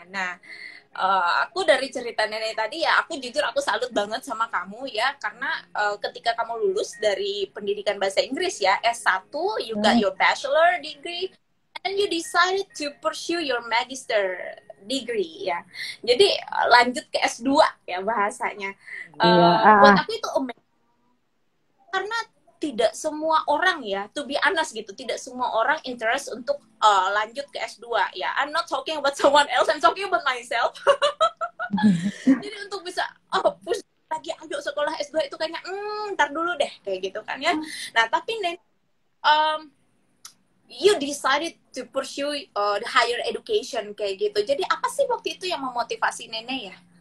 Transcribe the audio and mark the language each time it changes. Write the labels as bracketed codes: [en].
[id] Nah, aku dari cerita nenek tadi ya, aku jujur aku salut banget sama kamu ya, karena ketika kamu lulus dari pendidikan bahasa Inggris ya, S1, [en] you got your bachelor degree, and you decided to pursue your magister degree [id] ya. Jadi lanjut ke S2 ya bahasanya. Buat aku itu amazing. Karena tidak semua orang ya, [en] to be honest [id] gitu, tidak semua orang interest untuk lanjut ke S2 ya. [en] I'm not talking about someone else, I'm talking about myself. [id] Jadi untuk bisa push lagi, ayo sekolah S2 itu kayaknya ntar dulu deh kayak gitu kan ya. Nah, tapi Nen, [en] you decided to pursue the higher education [id] kayak gitu. Jadi apa sih waktu itu yang memotivasi nenek ya?